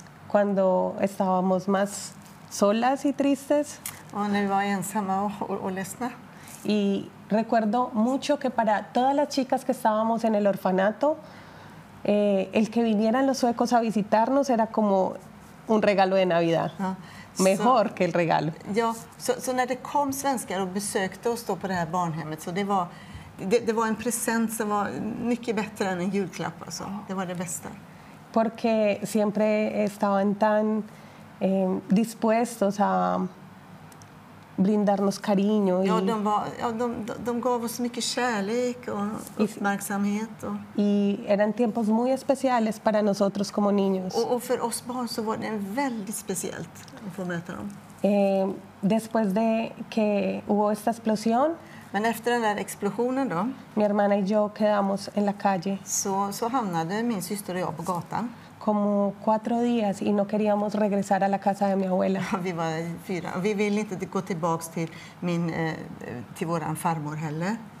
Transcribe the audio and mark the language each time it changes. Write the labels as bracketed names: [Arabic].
[Spanish] Cuando estábamos más solas y tristes. [Swedish] Och när vi var ensamma och ledsna. [Spanish] Y recuerdo mucho que para todas las chicas que estábamos en el orfanato, el que vinieran los suecos a visitarnos era como un regalo de Navidad. Mejor que el regalo. [Swedish] Ja, så när det kom svenskar och besökte oss då på det här barnhemmet, så det var en present som var mycket bättre än en julklapp, alltså. Det var det bästa. [Spanish] Porque siempre estaban tan dispuestos a brindarnos cariño y [Swedish] de gav oss mycket kärlek och uppmärksamhet [Spanish] y eran tiempos muy especiales para nosotros como niños. [Swedish] Och för oss barn så var det väldigt speciellt att få möta dem. [Spanish] Después de que hubo esta explosión, [Swedish] men efter den där explosionen då, [Spanish] mi hermana y yo quedamos en la calle. [Swedish] Så hamnade min syster och jag på gatan. [Spanish] Como 4 días y no queríamos regresar a la casa de mi abuela. [Swedish] Vi var 4. Vi ville inte gå tillbaks till våran farmor heller.